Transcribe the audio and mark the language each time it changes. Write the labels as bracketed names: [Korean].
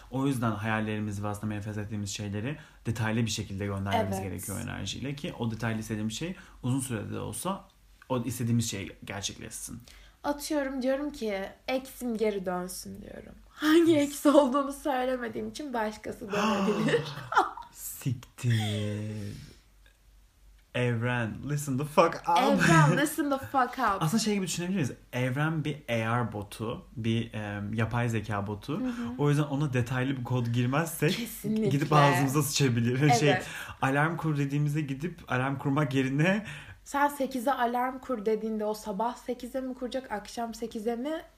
[Turkish] O yüzden hayallerimizi ve aslında manifest ettiğimiz şeyleri detaylı bir şekilde göndermemiz evet, gerekiyor enerjiyle. Ki o detaylı istediğimiz şey uzun sürede de olsa o istediğimiz şey gerçekleşsin. Atıyorum diyorum ki eksim geri dönsün diyorum. Hangi eksi olduğunu söylemediğim için başkası dönebilir. Siktir. [English] Evren, listen the fuck up. Evren, listen the fuck up. [Turkish] Aslında şey gibi düşünebilir miyiz? Evren bir AR botu, bir yapay zeka botu. Hı-hı. O yüzden ona detaylı bir kod girmezsek kesinlikle gidip ağzımıza sıçabilir. Evet. Şey, alarm kur dediğimizde gidip alarm kurmak yerine... Sen 8'e alarm kur dediğinde o sabah 8'e mi kuracak, akşam 8'e mi...